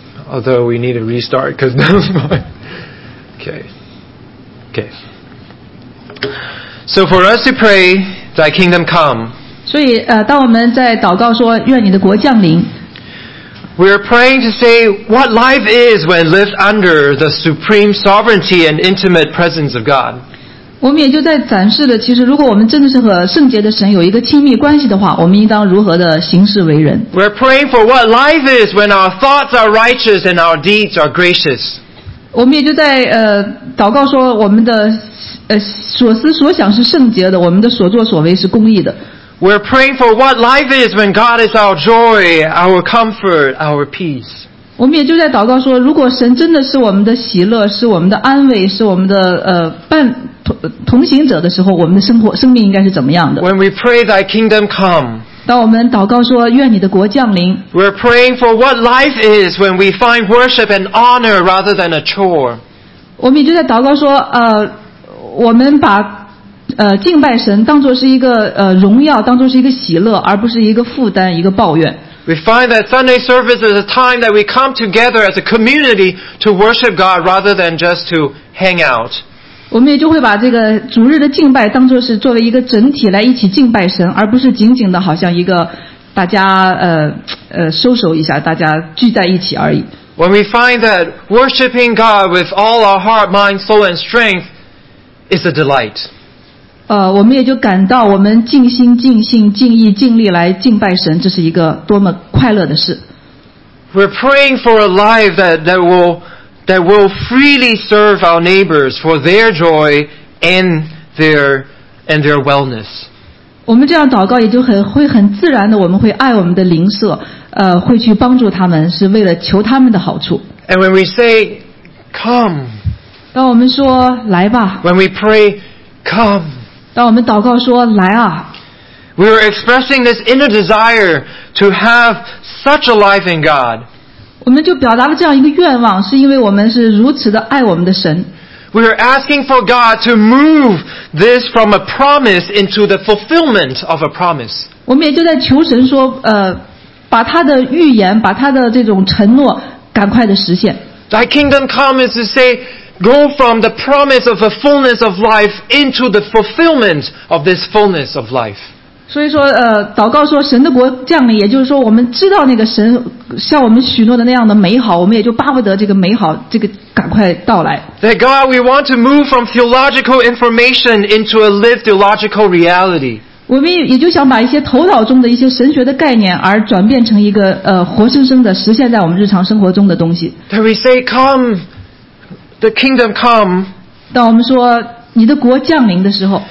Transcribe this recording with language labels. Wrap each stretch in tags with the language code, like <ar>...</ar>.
<en>Although we need a restart because that was fine. Okay. So for us to pray, Thy kingdom come.</en> <zh>所以当我们在祷告说愿你的国降临。</zh> <en>We are praying to say what life is when lived under the supreme sovereignty and intimate presence of God.</en> <zh>我们也就在展示了，其实如果我们真的是和圣洁的神有一个亲密关系的话，我们应当如何的行事为人。</zh> <en>We are praying for what life is when our thoughts are righteous and our deeds are gracious.</en> <zh>我们也就在祷告说我们的所思所想是圣洁的，我们的所作所为是公义的。</zh> <en>We're praying for what life is when God is our joy, our comfort, our peace.</en> <zh>我们也就在祷告说，如果神真的是我们的喜乐，是我们的安慰，是我们的同行者的时候，我们的生命应该是怎么样的？</zh> <en>When we pray, Thy kingdom come.</en> <zh>当我们祷告说，愿你的国降临。</zh> <en>We're praying for what life is when we find worship and honor rather than a chore.</en> <zh>我们也就在祷告说，我们把敬拜神当作是一个荣耀，当作是一个喜乐，而不是一个负担，一个抱怨。</zh> <en>We find that Sunday service is a time that we come together as a community to worship God rather than just to hang out.</en> <zh>我们也就会把这个主日的敬拜当作是作为一个整体来一起敬拜神，而不是仅仅的好像一个大家收拾一下，大家聚在一起而已。</zh> <en>When we find that worshiping God with all our heart, mind, soul, and strength is a delight.</en> <zh>我们也就感到我们尽心尽性尽意尽力来敬拜神，这是一个多么快乐的事。</zh> <en>We're praying for a life that will freely serve our neighbors for their joy and their wellness.</en> <zh>我们这样祷告也就很自然的，我们会爱我们的邻舍，会去帮助他们，是为了求他们的好处。</zh> <en>And when we say, come,</en> <zh>当我们说来吧。</zh> <en>When we pray, come.</en> <zh>当我们祷告说来啊</zh> <en>We are expressing this inner desire to have such a life in God.</en> <zh>我们就表达了这样一个愿望，是因为我们是如此的爱我们的神。</zh> <en>We are asking for God to move this from a promise into the fulfillment of a promise.</en> <zh>我们也就在求神说，把他的预言，把他的这种承诺，赶快的实现。</zh> <en>Thy kingdom come is to say. Go from the promise of a fullness of life into the fulfillment of this fullness of life.</en> <zh>所以说，祷告说神的国降临，也就是说，我们知道那个神向我们许诺的那样的美好，我们也就巴不得这个美好，这个赶快到来。</zh> <en>That God, we want to move from theological information into a lived theological reality.</en> <zh>我们也就想把一些头脑中的一些神学的概念，而转变成一个活生生的实现在我们日常生活中的东西。</zh> <en>That we say, come. The kingdom come.</en> <zh>当我们说你的国降临的时候</zh>